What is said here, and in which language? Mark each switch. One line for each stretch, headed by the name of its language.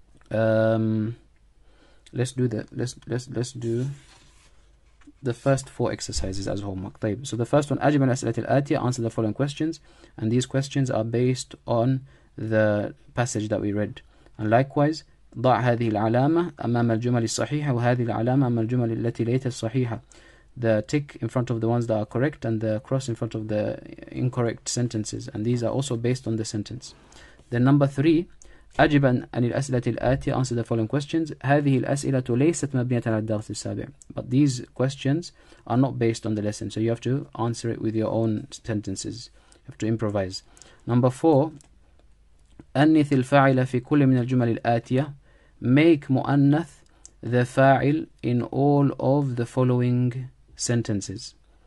English: The first four exercises as homework. طيب. So the first one,
Arabic: أجب الأسئلة الآتية,
English: answer the following questions. And these questions are based on the passage that we read. And likewise,
Arabic: ضع هذه العلامة أمام الجمل الصحيحة وهذه العلامة أمام الجمل التي ليست صحيحة.
English: The tick in front of the ones that are correct and the cross in front of the incorrect sentences. And these are also based on the sentence. Then number three,
Arabic: أجب عن الأسئلة الآتية,
English: answer the following questions.
Arabic: هذه الأسئلة ليست مبنية على الدرس السابع.
English: But these questions are not based on the lesson, so you have to answer it with your own sentences. You have to improvise. Number four,
Arabic: أنث الفاعل في كل من الجمل الآتية.
English: Make مؤنث the فاعل in all of the following sentences.